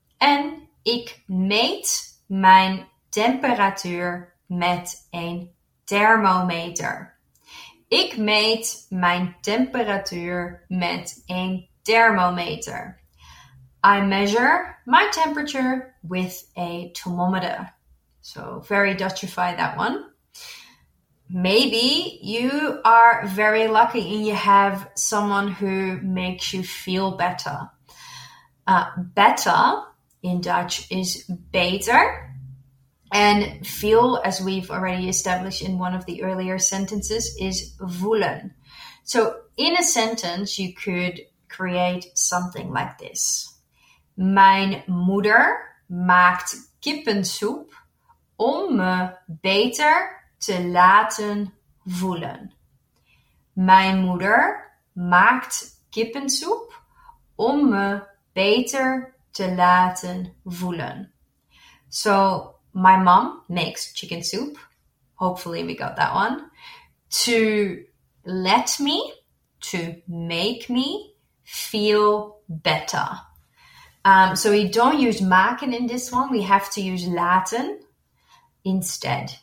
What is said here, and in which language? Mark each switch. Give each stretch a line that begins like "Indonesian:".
Dutch: En ik meet mijn temperatuur met een thermometer. Ik meet mijn temperatuur met een thermometer.
English: I measure my temperature with a thermometer. So very Dutchify that one. Maybe you are very lucky and you have someone who makes you feel better. Better in Dutch is beter. And feel, as we've already established in one of the earlier sentences, is voelen. So in a sentence, you could create something like this.
Dutch: Mijn moeder maakt kippensoep om me beter te laten voelen. Mijn moeder maakt kippensoep om me beter te laten voelen.
English: So, my mom makes chicken soup. Hopefully we got that one. To let me, to make me feel better. So we don't use maken in this one. We have to use laten instead.